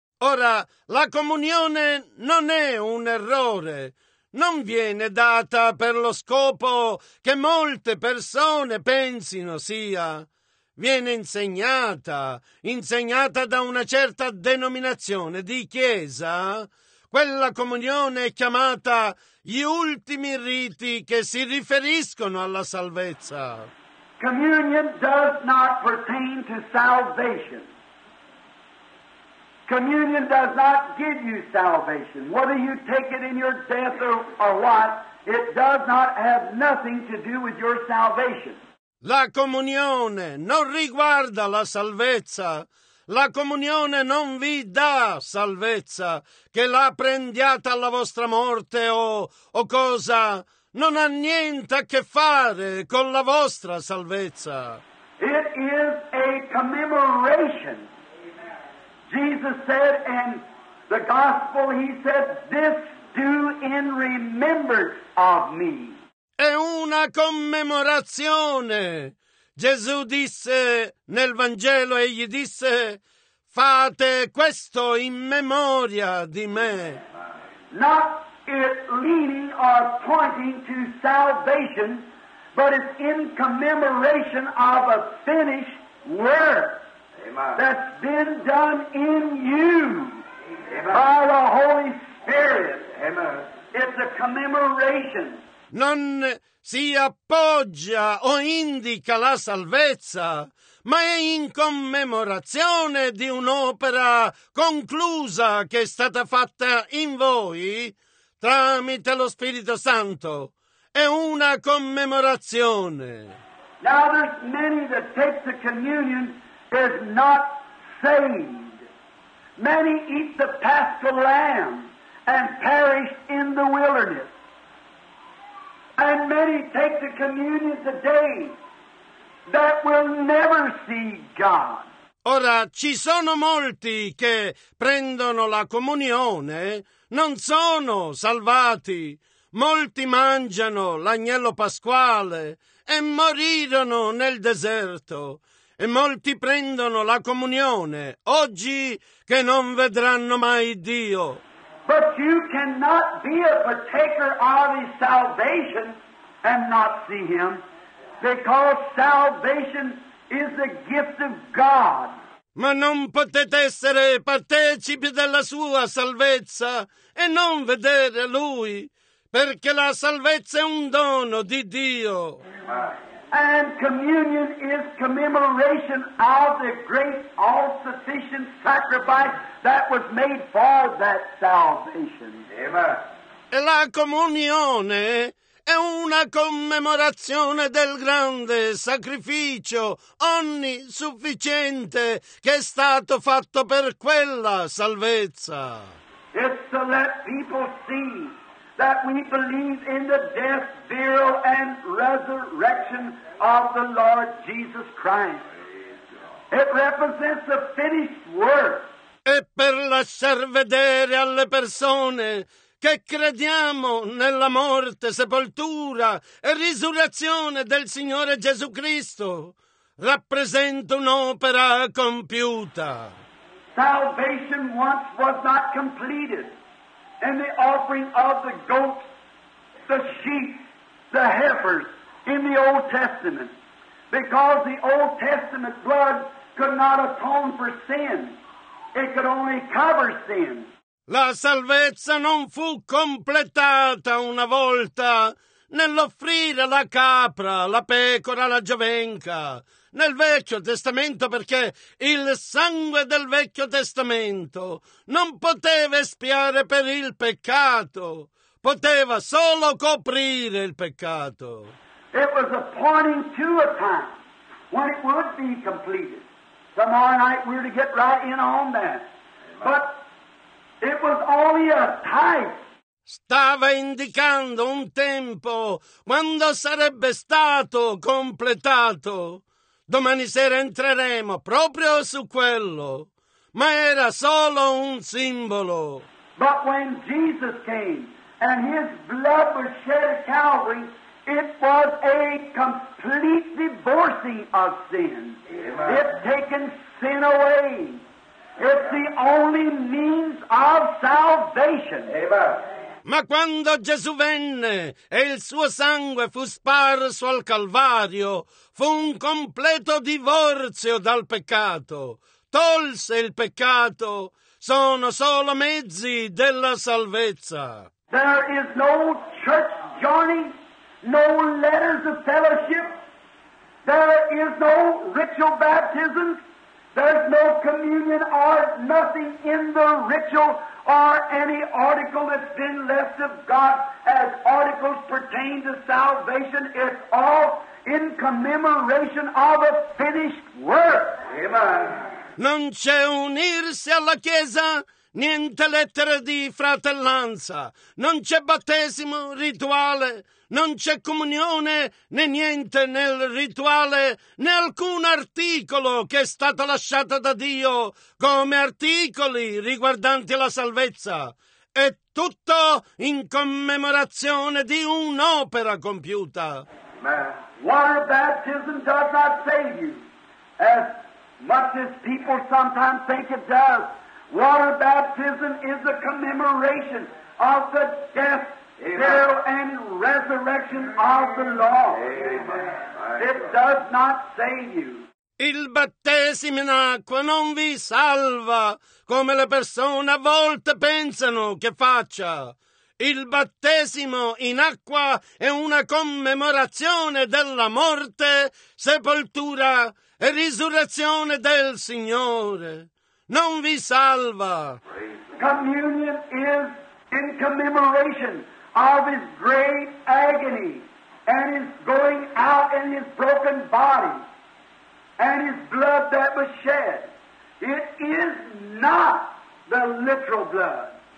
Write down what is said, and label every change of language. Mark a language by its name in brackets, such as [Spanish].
[Italian] Ora, la comunione non è un errore. Non viene data per lo scopo che molte persone pensino sia. Viene insegnata da una certa denominazione di Chiesa. Quella comunione è chiamata gli ultimi riti che si riferiscono alla salvezza. [English] Communion does not pertain to salvation. Communion does not give you salvation. Whether you take it in your death or what, it does not have nothing to do with your salvation. [Italian] La comunione non riguarda la salvezza. La comunione non vi dà salvezza. Che la prendiate alla vostra morte o cosa, non ha niente a che fare con la vostra salvezza. [English] It is a commemoration. Jesus said in the gospel, he said, this do in remembrance of me. [Italian] È una commemorazione. Gesù disse nel Vangelo, egli disse, fate questo in memoria di me. [English] Not it leading or pointing to salvation, but it's in commemoration of a finished work. Amen. That's been done in you. Amen. By the Holy Spirit. Amen. It's a commemoration. [Italian] Non si appoggia o indica la salvezza, ma è in commemorazione di un'opera conclusa che è stata fatta in voi tramite lo Spirito Santo. È una commemorazione. [English] Now there's many that take the communion is not saved. Many eat the paschal lamb and perish in the wilderness. And many take the communion today that will never see God. [Italian] Ora, ci sono molti che prendono la comunione, non sono salvati. Molti mangiano l'agnello pasquale e morirono nel deserto. E molti prendono la comunione oggi che non vedranno mai Dio. [English] But you cannot be a partaker of his salvation and not see him, because salvation is the gift of God. [Italian] Ma non potete essere partecipi della sua salvezza e non vedere lui, perché la salvezza è un dono di Dio. [English] And communion is commemoration of the great all-sufficient sacrifice that was made for that salvation. Amen. [Italian] E la comunione è una commemorazione del grande sacrificio onnisufficiente che è stato fatto per quella salvezza. [English] It's to let people see that we believe in the death, burial, and resurrection of the Lord Jesus Christ. It represents the finished work. [Italian] E per lasciar vedere alle persone che crediamo nella morte, sepoltura e risurrezione del Signore Gesù Cristo, rappresenta un'opera compiuta. [English] Salvation once was not completed in the offering of the goats, the sheep, the heifers in the Old Testament, because the Old Testament blood could not atone for sin. It could only cover sin. [Italian] La salvezza non fu completata una volta nell'offrire la capra, la pecora, la giovenca nel Vecchio Testamento, perché il sangue del Vecchio Testamento non poteva espiare per il peccato, poteva solo coprire il peccato. [English] It was appointing to a time when it would be completed. Tomorrow night we're to get right in on that. But it was only a type. [Italian] Stava indicando un tempo quando sarebbe stato completato. Domani sera entreremo proprio su quello, ma era solo un simbolo. [English] But when Jesus came and his blood was shed at Calvary, it was a complete divorcing of sin. Amen. It's taken sin away. It's the only means of salvation. Amen. [Italian] Ma quando Gesù venne e il suo sangue fu sparso al Calvario, fu un completo divorzio dal peccato. Tolse il peccato. Sono solo mezzi della salvezza. [English] There is no church joining, no letters of fellowship. There is no ritual baptism. There's no communion or nothing in the ritual or any article that's been left of God as articles pertain to salvation. It's all in commemoration of a finished work. Amen. [Italian] Non c'è unirsi alla Chiesa, niente lettere di fratellanza. Non c'è battesimo rituale, non c'è comunione né niente nel rituale né alcun articolo che è stato lasciato da Dio come articoli riguardanti la salvezza. È tutto in commemorazione di un'opera compiuta. [English] Water baptism does not save you as much as people sometimes think it does. Water baptism is a commemoration of the death, burial, and resurrection of the Lord. It does not save you. [Italian] Il battesimo in acqua non vi salva, come le persone a volte pensano che faccia. Il battesimo in acqua è una commemorazione della morte, sepoltura e risurrezione del Signore. Non vi salva. [English] Communion is in commemoration of his great agony and his going out in his broken body and his blood that was shed. It is not the literal blood.